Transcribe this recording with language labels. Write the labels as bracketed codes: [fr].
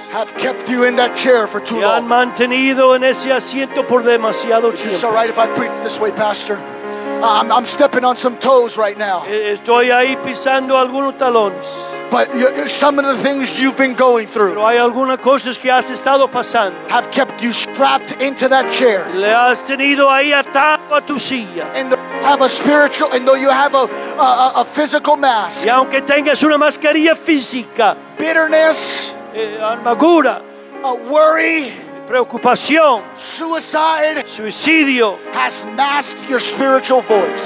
[en] have kept you in that chair for too long. [es] Te han mantenido en ese asiento por demasiado [en] it's [es] tiempo. [en] It's all right if I preach this way, Pastor. I'm stepping on some toes right now. [es] Estoy ahí pisando algunos talones. [en] But some of the things you've been going through [es] pero hay algunas cosas que has estado pasando [en] have kept you strapped into that chair. [es] Le has tenido ahí atado a tu silla. [en] And have a spiritual, and though you have a physical mask. [es] Y aunque tengas una mascarilla física, [en] bitterness, [es] amargura, [en] a worry, [es] preocupación, [en] suicide, [es] suicidio, [en] has masked your spiritual voice.